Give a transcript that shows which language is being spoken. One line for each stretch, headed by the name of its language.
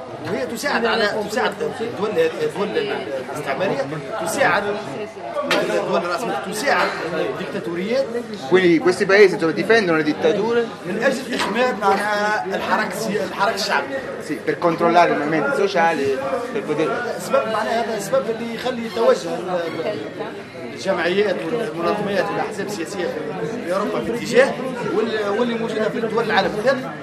Arabic: وهي تساعد على تساعد دول دول الاستعمارية تساعد دول الرأسمة تساعد الدكتاتوريات.
Italian: quindi questi paesi dove difendono le dittature
Arabic: من أجل إخماد الحركة الحركة الشعب.
Italian: sì per controllare i movimenti sociali per poter.
Arabic: سبب معناها هذا سبب اللي يخلي توجه الجمعيات والمنظمات والأحزاب السياسية في أوروبا في اتجاه واللي موجودة في الدول العالم الثاني.